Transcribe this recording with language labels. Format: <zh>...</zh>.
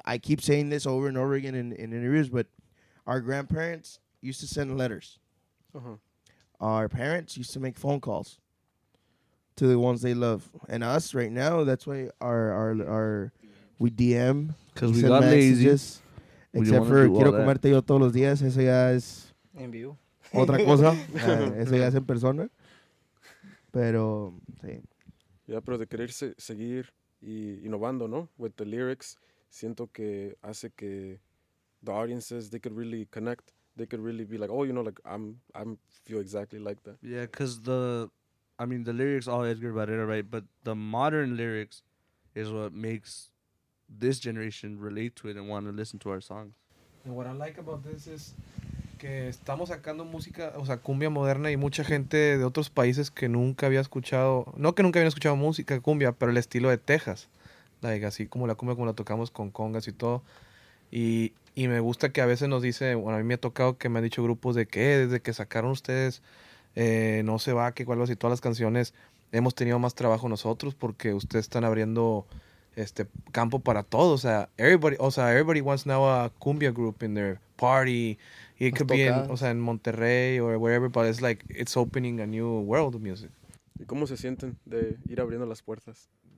<en>I keep saying this over and over again in interviews, but our grandparents used to send letters. Uh-huh. Our parents used to make phone calls to the ones they love. And us right now, that's why our we DM. Because we got lazy. Except for</en> <es>quiero comerte yo todos los días. Eso ya es en vivo. Otra cosa. Eso ya es en persona. Pero, sí. Yeah, pero de querer seguir y innovando, ¿no?</es> <en>With the lyrics,</en> <es>siento que hace que</es> <en>the audiences, they could really connect. They could really be like, oh, you know, like, I'm feel exactly like that. Yeah, because the lyrics, all Edgar Barrera, right? But the modern lyrics is what makes this generation relate to it and want to listen to our songs. And what I like about this is</en> <es>que estamos sacando música, o sea, cumbia moderna y mucha gente de otros países que nunca había escuchado, no que nunca habían escuchado música cumbia, pero el estilo de Texas. Like, así como la cumbia, como la tocamos con congas y todo. Y me gusta que a veces nos dice, bueno, a mí me ha tocado que me han dicho grupos de que desde que sacaron ustedes No Se Va, que cual, así, todas las canciones, hemos tenido más trabajo nosotros porque ustedes están abriendo este campo para todos. O sea,</es> <en>everybody wants now a cumbia group in their party. It could be en Monterrey or wherever, but it's like it's opening a new world of music.</en> <es>¿Y cómo se sienten de ir abriendo las puertas?</es>